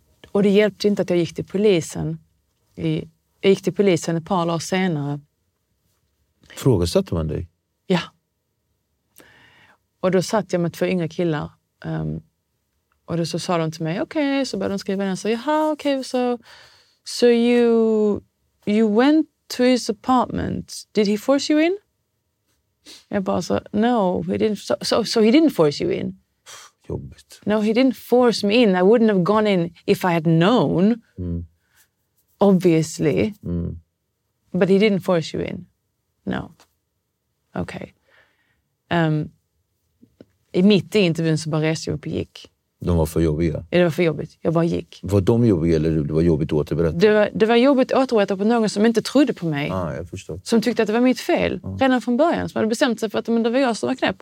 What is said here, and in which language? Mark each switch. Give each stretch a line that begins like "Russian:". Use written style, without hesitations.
Swedish: Och det hjälpte inte att jag gick till polisen. Jag gick till polisen ett par år senare. Frågasatte man dig? Ja. Och då satt jag med två yngre killar. Och då så sa de till mig, okej. Okay. Så började de skriva ner. Så jaha, okej.
English: Okay, so you went to his apartment. Did he force you in?
Swedish: Jag bara så,
English: no, he didn't. So he didn't force you in.
Swedish: Jobbigt.
English: No, he didn't force me in. I wouldn't have gone in if I had known. Mm. Obviously. Mm. But he didn't force you in. No. Okay.
Swedish: I mitt i intervjun så bara reste jag upp och gick. De var för jobbiga? Ja, det var för jobbigt. Jag bara gick. Var de jobbiga eller det var jobbigt att återberätta? Det var jobbigt att återberätta på någon som inte trodde på mig. Ja, jag förstår. Som tyckte att det var mitt fel. Ja. Redan från början. Som hade bestämt sig för att men, det var jag som var knäpp.